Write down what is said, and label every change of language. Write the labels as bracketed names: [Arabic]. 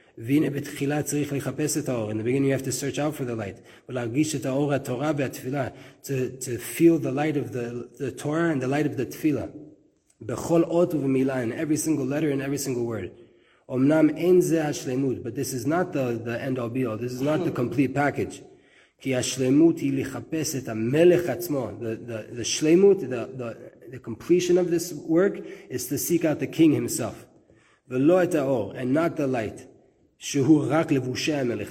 [Hebrew] והנה בתחילה צריך לחפש את האור, [English] in the beginning you have to search out for the light, [Hebrew] ולהרגיש את האור התורה והתפילה, [English] to feel the light of the Torah and the light of the תפילה. [Hebrew] בכל אות ובמילה, [English] in every single letter and every single word. [Hebrew] אמנם אין זה השלמות, [English] but this is not the end all be all, this is not the complete package. [Hebrew] כי השלמות היא לחפש את המלך עצמו. [English] The שלמות, the completion of this work, is to seek out the king himself. [Hebrew] ולא את האור, [English] and not the light, [Hebrew] שהוא רק לבושי המלך.